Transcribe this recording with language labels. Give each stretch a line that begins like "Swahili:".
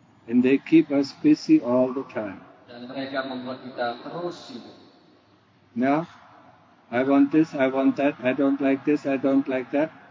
English: And they keep us busy all the time.
Indonesian: Dan mereka membuat kita terus sibuk.
English: No, I want this, I want that, I don't like this, I don't like that.